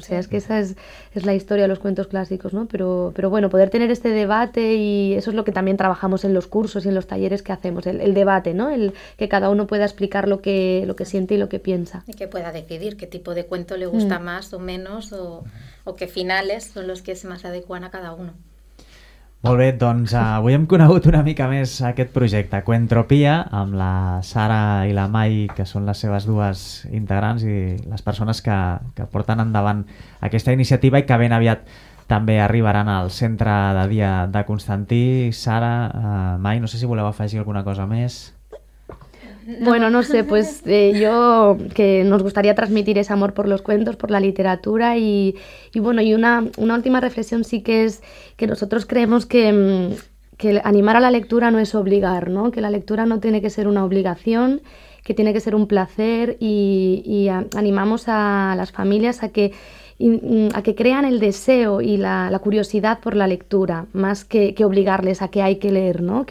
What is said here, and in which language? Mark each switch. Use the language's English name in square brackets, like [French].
[Spanish] O sea, es que esa es la historia de los cuentos clásicos, ¿no? Pero bueno, poder tener este debate y eso es lo que también trabajamos en los cursos y en los talleres que hacemos, el debate, ¿no? El que cada uno pueda explicar lo que siente y lo que piensa. Y que pueda decidir qué tipo de cuento le gusta más o menos o qué finales son los que se más adecuan a cada uno. [Catalan] Molt bé, doncs avui hem conegut una mica més aquest projecte, Coentropia, amb la Sara i la Mai, que són les seves dues integrants i les persones que porten endavant aquesta iniciativa i que ben aviat també arribaran al centre de dia de Constantí. Sara, Mai, no sé si voleu afegir alguna cosa més. [Spanish] Bueno, no sé, pues yo que nos gustaría transmitir ese amor por los cuentos, por la literatura y bueno, y una última reflexión sí que es que nosotros creemos que animar a la lectura no es obligar, ¿no? Que la lectura no tiene que ser una obligación, que tiene que ser un placer y animamos a las familias a que crean el deseo y la curiosidad por la lectura, más que obligarles a que hay que leer, ¿no?